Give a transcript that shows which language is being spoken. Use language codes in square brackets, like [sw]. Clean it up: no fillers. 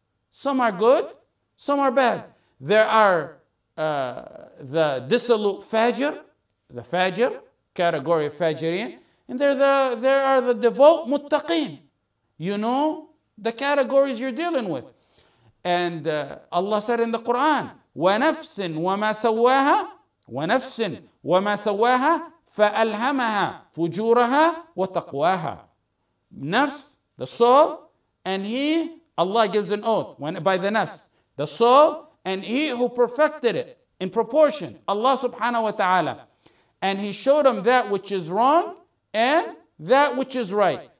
[en] Some are good, some are bad. There are the dissolute fajr, the fajr, category of fajirin, and there are the devout muttaqin. You know the categories you're dealing with. And Allah said in the Quran, [ar] وَنَفْسٍ وَمَا سَوَّاهَا ونفس وما سواها فألهمها فجورها وتقواها. [en] Nafs, the soul, and he, Allah gives an oath when, by the nafs, the soul, and he who perfected it in proportion, Allah subhanahu wa ta'ala. And he showed him that which is wrong and that which is right.